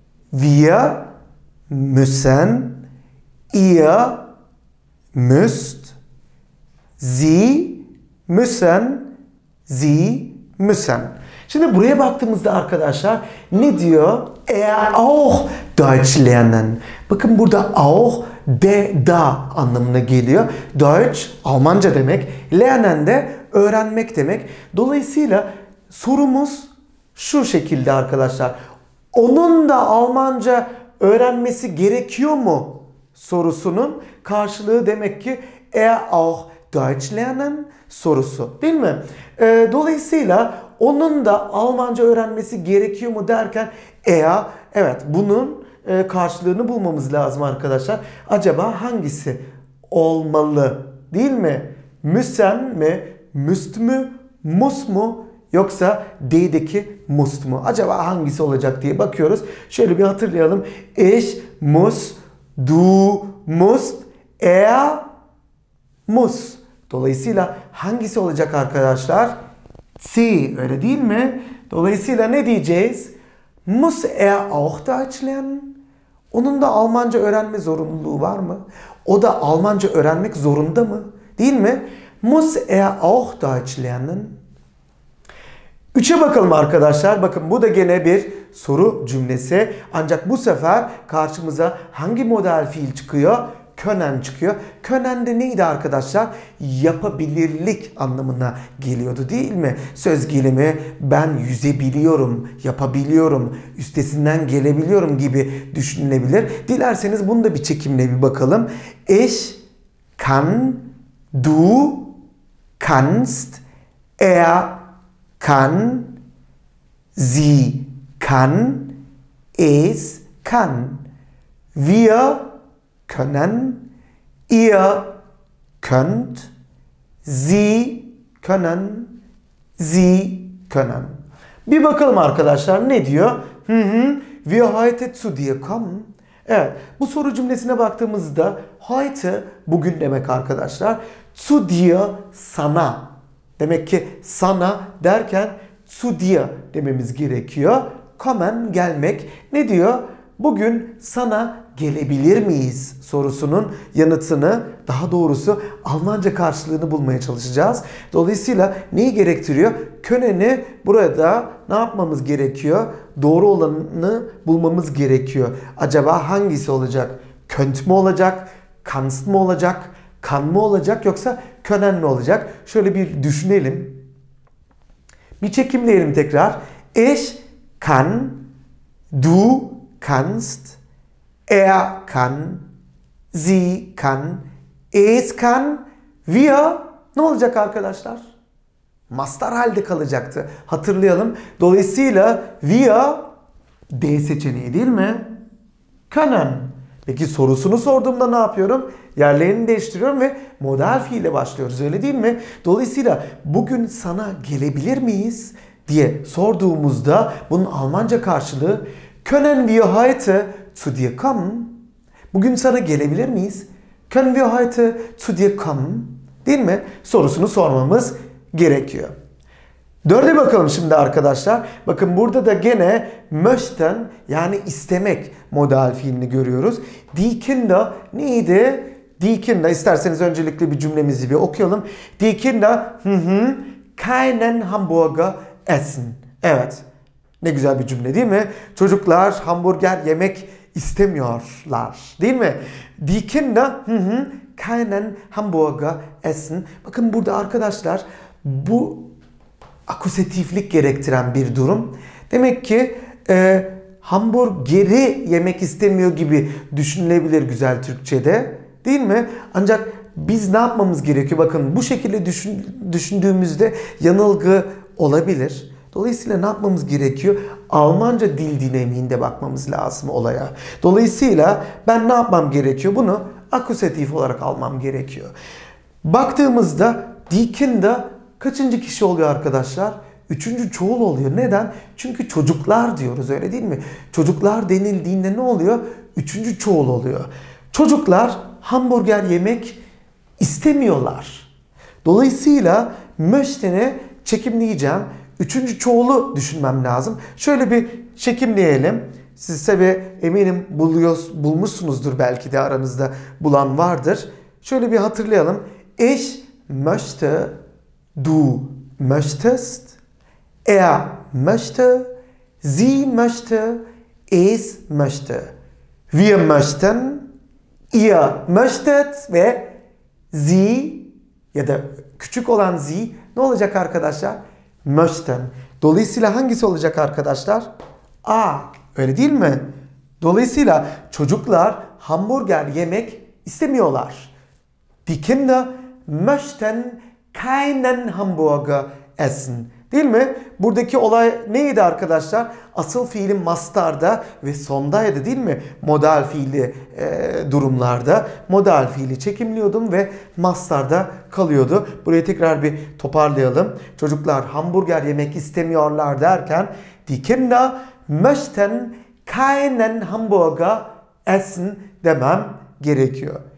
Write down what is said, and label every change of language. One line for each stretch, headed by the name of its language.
German: Wir müssen, ihr müsst, sie müssen, sie müssen.
Turkish: Şimdi buraya baktığımızda arkadaşlar ne diyor?
German: Auch Deutsch lernen.
Turkish: Bakın burada auch de da anlamına geliyor. Deutsch Almanca demek. Lernen de öğrenmek demek. Dolayısıyla sorumuz şu şekilde arkadaşlar. Onun da Almanca öğrenmesi gerekiyor mu sorusunun karşılığı demek ki
German: er auch Deutsch lernen
Turkish: sorusu, değil mi? Dolayısıyla onun da Almanca öğrenmesi gerekiyor mu derken evet bunun karşılığını bulmamız lazım arkadaşlar. Acaba hangisi olmalı, değil mi? Müssen mi, müst mü, muss mu, yoksa D'deki must mu? Acaba hangisi olacak diye bakıyoruz. Şöyle bir hatırlayalım.
German: Ich muss, du musst, er muss.
Turkish: Dolayısıyla hangisi olacak arkadaşlar? Sie, öyle değil mi? Dolayısıyla ne diyeceğiz?
German: Muss er auch Deutsch lernen?
Turkish: Onun da Almanca öğrenme zorunluluğu var mı? O da Almanca öğrenmek zorunda mı? Değil mi?
German: Muss er auch Deutsch lernen?
Turkish: Üçe bakalım arkadaşlar. Bakın bu da gene bir soru cümlesi. Ancak bu sefer karşımıza hangi model fiil çıkıyor? Können çıkıyor. Können de neydi arkadaşlar? Yapabilirlik anlamına geliyordu, değil mi? Söz gelimi ben yüzebiliyorum, yapabiliyorum, üstesinden gelebiliyorum gibi düşünülebilir. Dilerseniz bunu da bir çekimle bir bakalım.
German: Ich kann, du kannst, er kann, sie kann, es kann. Wir können, ihr könnt, sie können, sie können.
Turkish: Bir bakalım arkadaşlar ne diyor?
German: Wir heute zu dir kommen.
Turkish: Evet, bu soru cümlesine baktığımızda heute bugün demek arkadaşlar. Zu dir sana. Demek ki sana derken
German: zu dir
Turkish: dememiz gerekiyor. Kommen gelmek. Ne diyor? Bugün sana gelebilir miyiz sorusunun yanıtını, daha doğrusu Almanca karşılığını bulmaya çalışacağız. Dolayısıyla neyi gerektiriyor? Können'i burada ne yapmamız gerekiyor? Doğru olanı bulmamız gerekiyor. Acaba hangisi olacak? Könnt mü olacak? Kannst mı olacak? Kann mı olacak, yoksa können mi olacak? Şöyle bir düşünelim. Bir çekimleyelim tekrar.
German: Ich kann, du kannst, er kann, sie kann, es kann, wir.
Turkish: Ne olacak arkadaşlar? Mastar halde kalacaktı. Hatırlayalım. Dolayısıyla wir D seçeneği, değil mi? Können. Peki sorusunu sorduğumda ne yapıyorum? Yerlerini değiştiriyorum ve modal fiile başlıyoruz, öyle değil mi? Dolayısıyla bugün sana gelebilir miyiz diye sorduğumuzda bunun Almanca karşılığı
German: Können wir heute zu dir kommen?
Turkish: Bugün sana gelebilir miyiz?
German: Können wir heute zu dir kommen?
Turkish: Değil mi? Sorusunu sormamız gerekiyor. Dörde bakalım şimdi arkadaşlar. Bakın burada da gene möchten, yani istemek modal fiilini görüyoruz. Dikinde neydi? Dikinde, isterseniz öncelikle bir cümlemizi bir okuyalım.
German: Dikinde keinen Hamburger essen.
Turkish: Evet. Ne güzel bir cümle, değil mi? Çocuklar hamburger yemek istemiyorlar, değil mi?
German: Die Kinder keinen Hamburger essen.
Turkish: Bakın burada arkadaşlar bu akusatiflik gerektiren bir durum. Demek ki hamburgeri yemek istemiyor gibi düşünülebilir güzel Türkçe'de, değil mi? Ancak biz ne yapmamız gerekiyor? Bakın bu şekilde düşündüğümüzde yanılgı olabilir. Dolayısıyla ne yapmamız gerekiyor? Almanca dil dinamiğinde bakmamız lazım olaya. Dolayısıyla ben ne yapmam gerekiyor? Bunu akusatif olarak almam gerekiyor. Baktığımızda Dikinde kaçıncı kişi oluyor arkadaşlar? Üçüncü çoğul oluyor. Neden? Çünkü çocuklar diyoruz, öyle değil mi? Çocuklar denildiğinde ne oluyor? Üçüncü çoğul oluyor. Çocuklar hamburger yemek istemiyorlar. Dolayısıyla möchten'i çekimleyeceğim. Üçüncü çoğulu düşünmem lazım. Şöyle bir çekimleyelim. Siz tabi eminim bulmuşsunuzdur, belki de aranızda bulan vardır. Şöyle bir hatırlayalım.
German: Ich möchte, du möchtest, er möchte, sie möchte, es möchte. Wir möchten, ihr möchtet
Turkish: ve sie, ya da küçük olan sie ne olacak arkadaşlar? Möchten. Dolayısıyla hangisi olacak arkadaşlar? A. Öyle değil mi? Dolayısıyla çocuklar hamburger yemek istemiyorlar.
German: Die Kinder möchten keinen Hamburger essen.
Turkish: Değil mi? Buradaki olay neydi arkadaşlar? Asıl fiilin mastarda ve sondaydı değil mi? Modal fiili durumlarda modal fiili çekimliyordum ve mastarda kalıyordu. Burayı tekrar bir toparlayalım. Çocuklar hamburger yemek istemiyorlar derken
German: Die Kinder möchten keinen Hamburger essen
Turkish: demem gerekiyor.